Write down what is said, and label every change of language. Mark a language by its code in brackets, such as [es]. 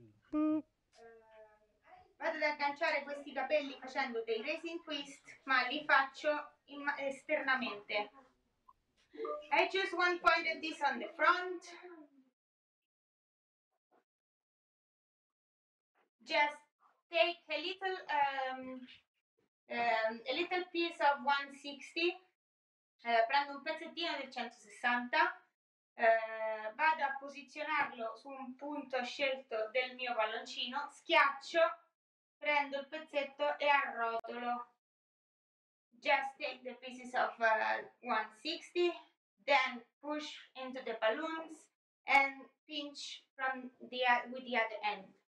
[it] Vado ad agganciare questi capelli facendo dei raising twist, ma li faccio esternamente. [en] I choose one point of this on the front. Just take a little piece of 160, [it] prendo un pezzettino del 160, vado a posizionarlo su un punto scelto del mio palloncino, schiaccio, prendo il pezzetto e arrotolo. [en] Just take the pieces of 160, then push into the balloons and pinch from the with the other end.